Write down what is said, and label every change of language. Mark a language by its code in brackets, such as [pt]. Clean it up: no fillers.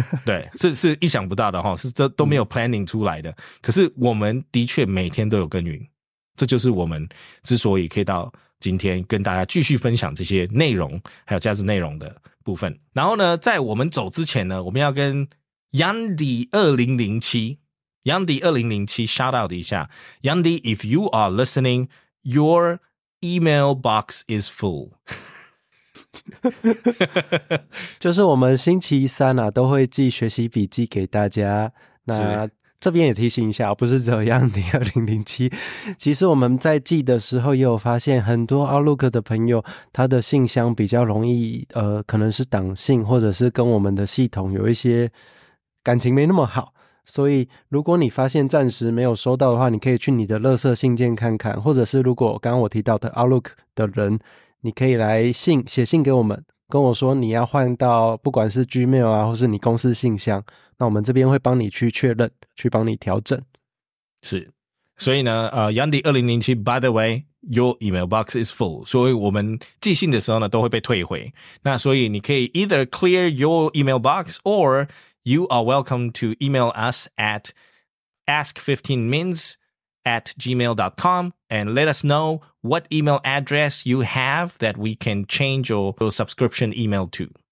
[zh] 对，是意想不到的，是这都没有 planning 出来的、嗯、可是我们的确每天都有耕耘，这就是我们之所以可以到今天跟大家继续分享这些内容还有价值内容的部分。然后呢，在我们走之前呢，我们要跟 Yandy2007 shout out 一下。 [en] Yandy, if you are listening, your email box is full. [zh] 就是我们星期三啊都会寄学习笔记给大家，那这边也提醒一下，不是只有 Yandy2007, 其实我们在寄的时候也有发现很多 Outlook 的朋友他的信箱比较容易可能是挡信，或者是跟我们的系统有一些感情没那么好，所以如果你发现暂时没有收到的话，你可以去你的垃圾信件看看，或者是如果刚刚我提到的 Outlook 的人，你可以来信写信给我们，跟我说你要换到不管是 Gmail 啊或是你公司信箱，那我们这边会帮你去确认，去帮你调整。是，所以呢 [en] Yandy2007 by the way your email box is full, [zh] 所以我们寄信的时候呢都会被退回，那所以你可以 [en] either clear your email box orYou are welcome to email us at ask15mins@gmail.com and let us know what email address you have that we can change your subscription email to.